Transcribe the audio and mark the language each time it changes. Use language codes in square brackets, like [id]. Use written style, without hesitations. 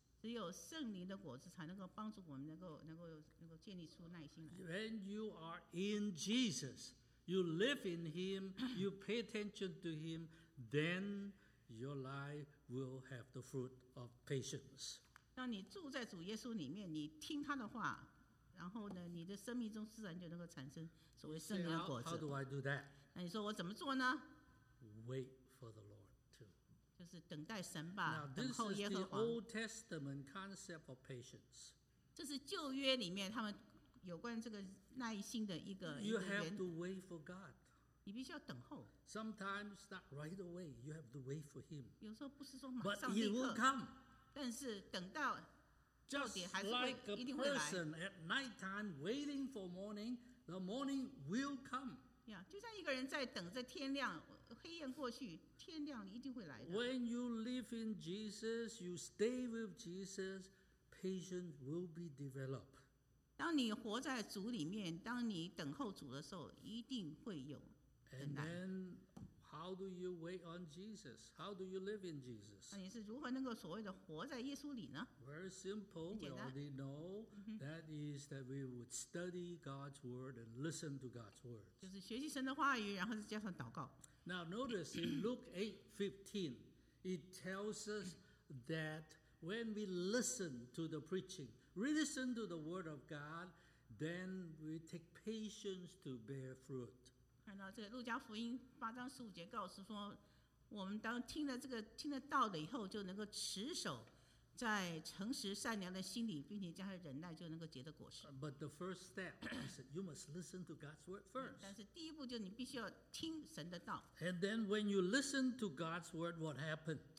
[zh] 只有圣灵的果子才能够帮助我们能够建立出耐心来。 [en] When you are in Jesus, you live in Him, you pay attention to Him, then your life will have the fruit of patience. [zh] 当你住在主耶稣里面，你听他的话。然后呢，你的生命中自然就能够产生所谓圣灵的果子。 [en] How do I do that? [zh] 那你说我怎么做呢？ [en] Wait for the Lord to. [zh] 就是等待神吧。 [en] Now, [zh] 等候耶和华。 [en] This is the Old Testament concept of patience. [zh] 这是旧约里面他们有关这个耐心的一个。 [en] You have to wait for God. [zh] 你必须要等候。 [en] Sometimes not right away. You have to wait for Him. [zh] 有时候不是说马上立刻。 [en] But He will come. [zh] 但是等到。 [en] Just like a person at night time waiting for morning, the morning will come. Yeah, [zh] 就像一个人在等着天亮，黑夜过去，天亮一定会来的。 [en] When you live in Jesus, you stay with Jesus, patience will be developed. [zh] 当你活在主里面，当你等候主的时候，一定会有等待。 [en] And then, how do you wait on Jesus? How do you live in Jesus? [zh] 你是如何能够所谓的活在耶稣里呢？ [en] Very simple. We already know that is that we would study God's word and listen to God's word. [zh] 就是学习神的话语，然后再加上祷告。 [en] Now notice in Luke 8:15, it tells us that when we listen to the preaching, we listen to the word of God, then we take patience to bear fruit. [zh] 看到这个路加福音八章十五节告诉说，我们当听了道的以后，就能够持守在诚实善良的心里，并且加上忍耐，就能够结的果实。 [en] But the first step is you must listen to God's word first. [zh] 但是第一步就是你必须要听神的道。 [en] And then when you listen to God's word, what happened?